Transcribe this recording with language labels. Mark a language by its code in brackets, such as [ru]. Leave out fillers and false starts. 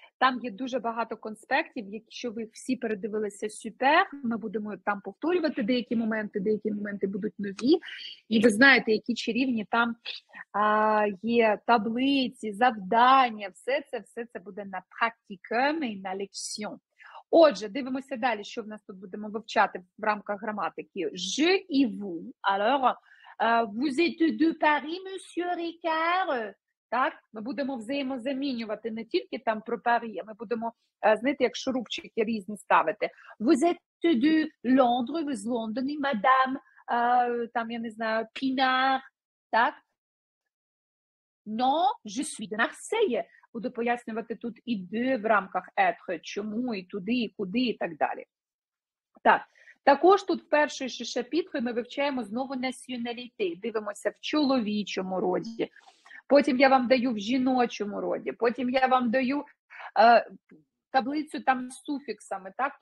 [uk] Там є дуже багато конспектів, якщо ви всі передивилися супер, ми будемо там повторювати деякі моменти будуть нові. І ви знаєте, які чарівні там є таблиці, завдання, все це буде на практикумі, на лекціон. Отже, дивимося далі, що в нас тут будемо вивчати в рамках граматики. [fr] Je et vous. Alors, vous êtes de Paris, monsieur Ricard? [uk] Так, ми будемо взаємозамінювати не тільки там проперіє, ми будемо знаєте, як шурупчики різні ставити. [fr] Vous êtes de Londres, vous êtes Londres, madame, там я не знаю, Pinard, так? Non, je suis de Marseille. [uk] Буду пояснювати тут і де в рамках être, чому, і туди, і куди, і так далі. Так. Також тут перший шишепіт, ми вивчаємо знову національніті, дивимося в чоловічому роді. Потім я вам даю в жіночому роді, потім я вам даю таблицю там з суфіксами, так?